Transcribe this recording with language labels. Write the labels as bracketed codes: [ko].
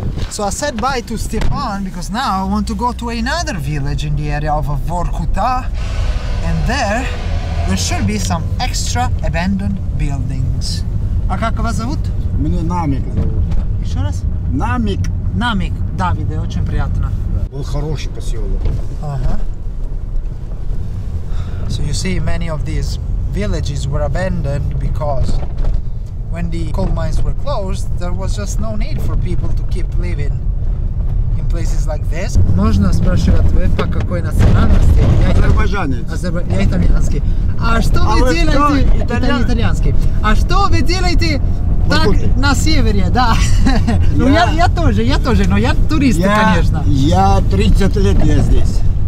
[en] So I said bye to Stepan because now I want to go to another village in the area of Vorkuta, and there should be some extra abandoned buildings. [ru] А как вас зовут? Меня Намик зовут. Еще раз? Намик. Намик, Давиде, очень приятно. Был хороший поселок. Ага. [en] So you see, many of these villages were abandoned because when the coal mines were closed, there was just no need for people to keep living in places like this. [ru] Можно спрашивать тебе, по какой национальности? Азербайджанец. Я итальянский. А что вы делаете? Я итальянский. А что вы делаете? Так, на севере, да. Ну я тоже, но я турист, конечно. Я 30 лет я здесь.